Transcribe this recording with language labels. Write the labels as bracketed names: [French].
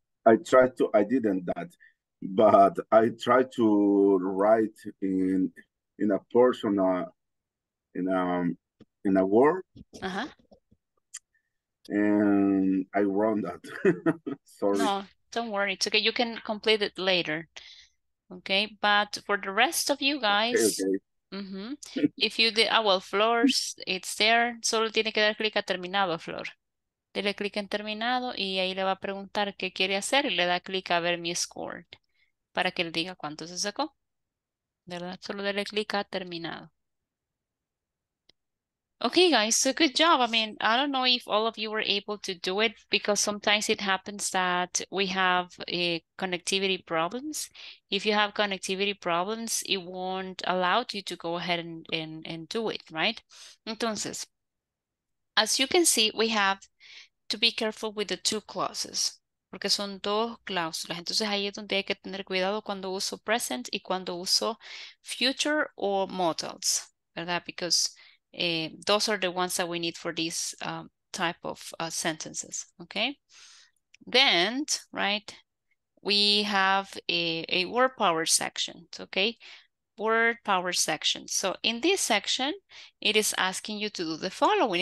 [English] I didn't that, but I tried to write in a portion in a word. And I wrote that. Sorry. No, don't worry. It's okay. You can complete it later. Okay. But for the rest of you guys, if you did, Flores, it's there. [Spanish] Solo tiene que dar clic a terminado, Flor. Dele clic en terminado y ahí le va a preguntar qué quiere hacer y le da clic a ver mi score para que le diga cuánto se sacó. ¿Verdad? Solo dele clic a terminado. [English] Okay, guys, so good job. I mean, I don't know if all of you were able to do it because sometimes it happens that we have connectivity problems. If you have connectivity problems, it won't allow you to go ahead and do it, right? Entonces, as you can see, we have to be careful with the two clauses, [Spanish] porque son dos cláusulas. Entonces ahí es donde hay que tener cuidado cuando uso present y cuando uso [English] future or models, [Spanish] ¿verdad? [English] Because those are the ones that we need for this type of sentences, okay? Then, right, we have a word power section, okay? Word power section. So in this section, it is asking you to do the following.